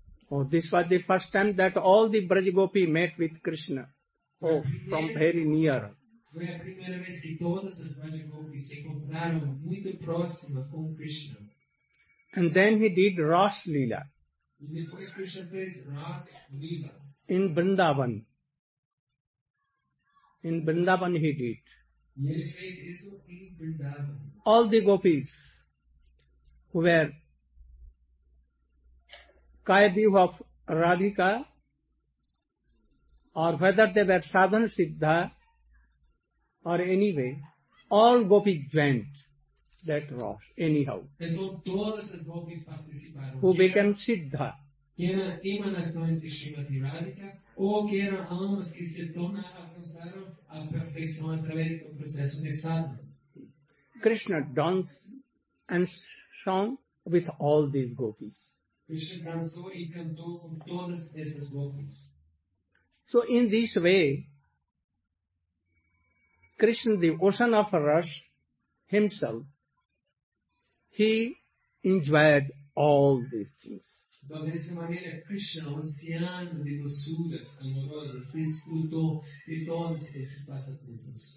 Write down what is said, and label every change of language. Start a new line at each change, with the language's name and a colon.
English: Oh, this was the first time that all the Braj Gopi met with Krishna. Oh, from very near.
Portuguese: Foi a primeira vez que todas as Braj Gopis se encontraram muito próximas com Krishna.
English: And then he did Ras Leela.
Portuguese: Depois Krishna fez Ras Leela.
English: In Vrindavan. In Vrindavan he did.
Portuguese: E ele fez isso em Vrindavan.
English: All the gopis who were kaidiv of Radhika or whether they were sadhan siddha or anyway, all gopis joined. That Ross, anyhow.
Portuguese: Então, todas as gopis participaram.
English: Who became Siddha.
Portuguese: Que eram emanações de Srimati Radhika, ou que eram almas que se tornaram, alcançaram a perfeição através do processo de sadhana.
English: Krishna danced and sang with all these gopis.
Portuguese: Krishna dançou e cantou com todas essas gopis.
English: So, in this way, Krishna, the ocean of Ross, himself, he enjoyed all these things.
Portuguese: Então, dessa maneira, Krishna, o oceano de doçuras amorosas, desfrutou de todos esses passatempos.